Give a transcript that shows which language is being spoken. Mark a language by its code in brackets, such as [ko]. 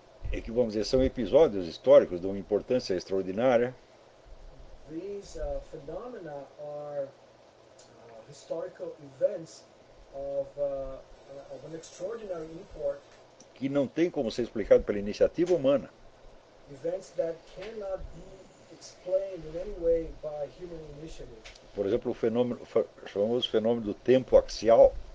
[pt] É que, vamos dizer, são episódios históricos de uma importância extraordinária. [en] These phenomena are historical events of an extraordinary import. [pt] Que não tem como ser explicado pela iniciativa humana. [en] Events that cannot be explained in any way by human initiative. [pt] Por exemplo, o fenômeno, chamamos o fenômeno do tempo axial.